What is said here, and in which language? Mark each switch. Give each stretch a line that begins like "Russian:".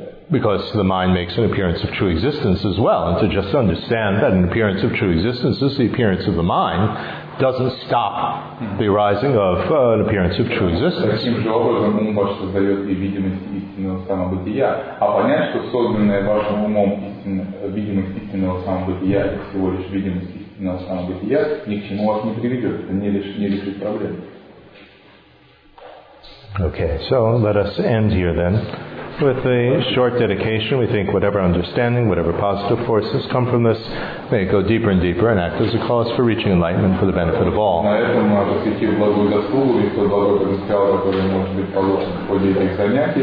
English: Because the mind makes an appearance of true existence as well, and to just understand that an appearance of true existence is the appearance of the mind doesn't stop the arising of an appearance of true existence.
Russian: Таким же образом ум ваш создает и видимость истинного самобытия, а понять, что созданное вашим умом видимость истинного самобытия это всего лишь видимость истинного самобытия, ни к чему вас не приведет, это не решит проблему.
English: Okay, so let us end here then with a short dedication. We think whatever understanding, whatever positive forces come from this, may it go deeper and deeper and act as a cause for reaching enlightenment for the benefit of all.